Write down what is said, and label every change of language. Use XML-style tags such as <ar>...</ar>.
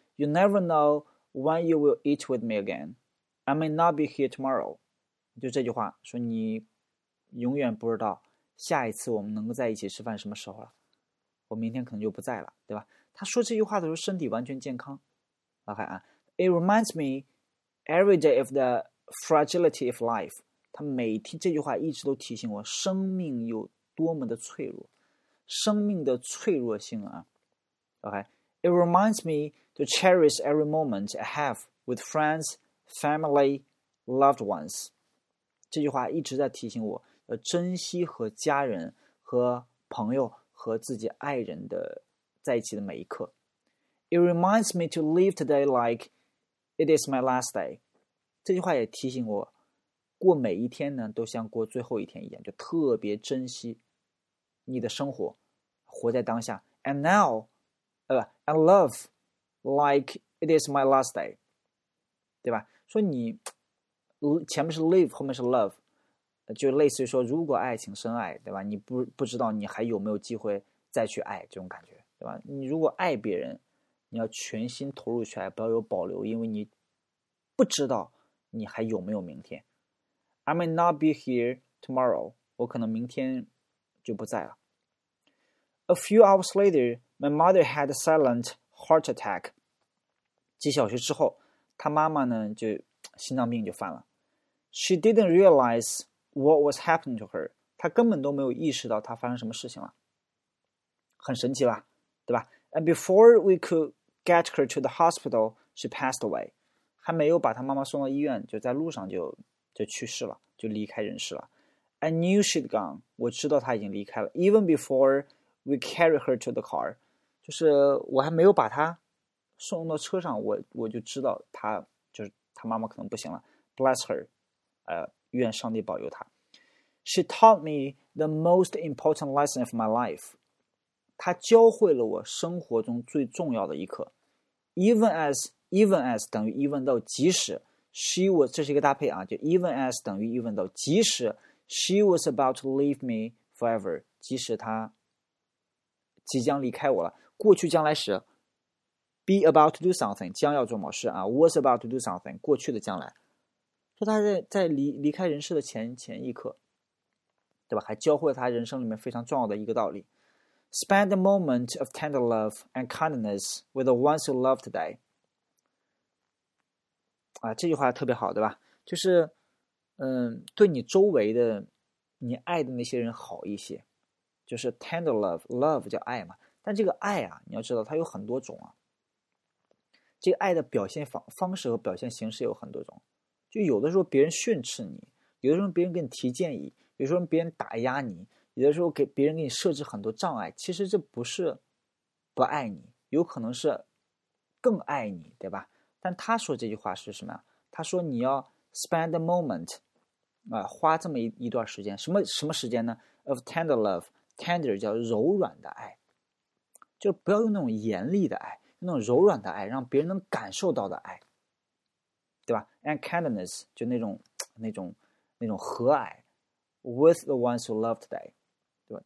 <en>You never know when you will eat with me again。 I may not be here tomorrow，</en> <zh>就这句话说你永远不知道下一次我们能够在一起吃饭什么时候了。我明天可能就不在了，对吧？他说这句话的时候身体完全健康。</zh> <en>OK 啊，It reminds me every day of the fragility of life。</en> <zh>他每天这句话一直都提醒我生命有多么的脆弱，生命的脆弱性啊。</zh> <en>OK，It reminds me to cherish every moment I have with friends。 Family, loved ones，</en> <zh>这句话一直在提醒我要珍惜和家人、和朋友、和自己爱人的在一起的每一刻。</zh> <en>It reminds me to live today like it is my last day。</en> <zh>这句话也提醒我，过每一天呢都像过最后一天一样，就特别珍惜你的生活，活在当下。</zh> <en>And now I love like it is my last day， 对吧？</en> <zh>说你前面是 live， 后面是 love，就类似于说，如果爱情深爱，对吧？你不知道你还有没有机会再去爱，这种感觉，对吧？你如果爱别人，你要全心投入去爱，不要有保留，因为你不知道你还有没有明天。</zh> <en>I may not be here tomorrow，</en> <zh>我可能明天就不在了。</zh> <en>A few hours later, my mother had a silent heart attack。</en> <zh>几小时之后，她妈妈呢就心脏病就犯了。</zh> <en>She didn't realize. What was happening to her?</en> <zh>她根本都没有意识到她发生什么事情了，很神奇吧，对吧？</zh> <en>And before we could get her to the hospital, she passed away.</en> <zh>还没有把她妈妈送到医院，就在路上就去世了，就离开人世了。</zh> <en>I knew she'd gone.</en> <zh>我知道她已经离开了。</zh> <en>Even before we carried her to the car,</en> <zh>就是我还没有把她送到车上，我就知道她就是她妈妈可能不行了。</zh> <en>Bless her,</en> <zh>愿上帝保佑他。</zh> <en>She taught me the most important lesson of my life.</en> <zh>他教会了我生活中最重要的一课。 Even as 等于 even though 即使</zh> <en>she was 这是一个搭配啊，就 even as 等于 even though 即使 she was about to leave me forever，</en> <zh>即使他即将离开我了。过去将来时 be about to do something 将要做某事啊 was about to do something 过去的将来。说他在离开人世的前一刻，对吧？还教会了他人生里面非常重要的一个道理 ：</zh> <en>spend a moment of tender love and kindness with the ones you love today。</en> <zh>啊，这句话特别好，对吧？就是，对你周围的你爱的那些人好一些，就是 tender love 叫爱嘛。但这个爱啊，你要知道它有很多种啊。这个爱的表现方式和表现形式有很多种。就有的时候别人训斥你，有的时候别人给你提建议，有的时候别人打压你，有的时候给别人给你设置很多障碍，其实这不是不爱你，有可能是更爱你，对吧？但他说这句话是什么呀？他说你要</zh> <en>spend a moment，</en> <zh>花这么一段时间，什么时间呢 ？Of tender love，tender 叫柔软的爱，就不要用那种严厉的爱，用那种柔软的爱，让别人能感受到的爱。对吧 ？And kindness 就那种和蔼 ，</zh> <en>with the ones you love today，</en> <zh>对吧？</zh>